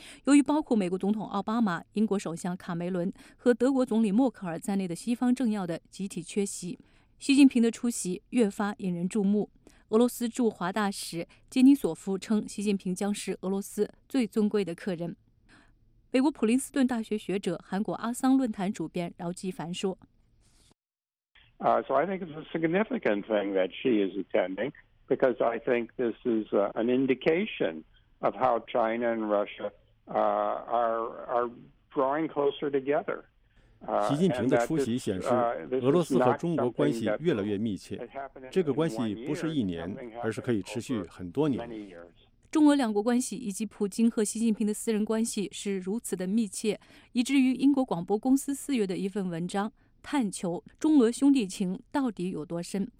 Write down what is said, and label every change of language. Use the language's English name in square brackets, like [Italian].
[Chinese] 由于包括美国总统奥巴马、英国首相卡梅伦和德国总理默克尔在内的西方政要的集体缺席，习近平的出席越发引人注目。俄罗斯驻华大使杰尼索夫称，习近平将是俄罗斯最尊贵的客人。美国普林斯顿大学学者、韩国阿桑论坛主编饶继凡说： [English] So I think it's a significant thing that she is attending, because I think this is an indication of how China and Russia are drawing closer together. [Chinese] 习近平的出席显示，俄罗斯和中国关系越来越密切。这个关系不是一年，而是可以持续很多年。中俄两国关系以及普京和习近平的私人关系是如此的密切，以至于英国广播公司四月的一份文章探求中俄兄弟情到底有多深。